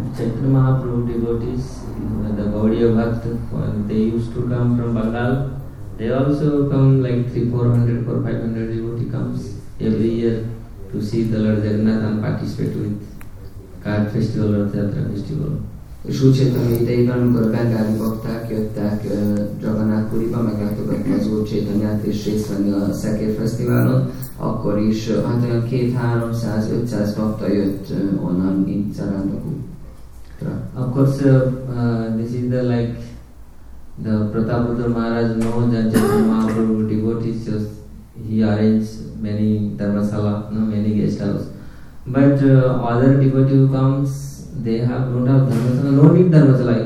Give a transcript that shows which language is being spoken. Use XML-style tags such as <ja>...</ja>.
<en>Chaitanya Mahaprabhu devotees, the Gaudiya Bhakta, they used to come from Bengal. They also come like 300-400-500 devotees comes every year to see the Lord Jagannath and participate with Kart festival or Teatra festival.</en> <hu>És úgy Chaitanya idejében, amikor a bengáli bakták jöttek Jagannath Puriba, meglátogatni az Úr Chaitanyát és részt venni a Szekér Fesztiválon, akkor is hát olyan 200-300-500 bakta jött onnan, mint szarándok útra.</hu> <en>Of course, this is the like, the Pratapudra Maharaj knows that Jagannath Mahaprabhu devotees, just, he arranged many dharmasala, no, many guest house. But other devotees who comes, they have don't have dharmasala, no need dharmasala.</en>